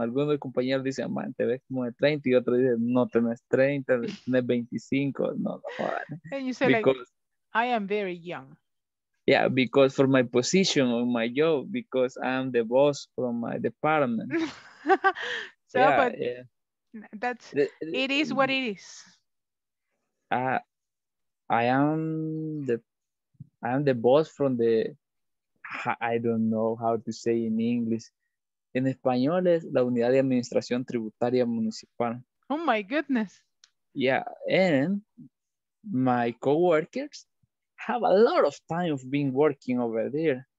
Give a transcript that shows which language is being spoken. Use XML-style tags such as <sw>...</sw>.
<es>Algunos compañeros dicen, man, te ves como de 30, y otros dicen, no, tenés 30, tenés 25. No, no, joder.</es> <en>And you say, because, like, I am very young. Yeah, because for my position or my job, because I'm the boss from my department. So, yeah, but yeah. It is what it is. I am the boss from the, I don't know how to say in English.</en> <es>En español es la unidad de administración tributaria municipal.</es> <en>Oh my goodness. Yeah, and my coworkers have a lot of time of being working over there.</en>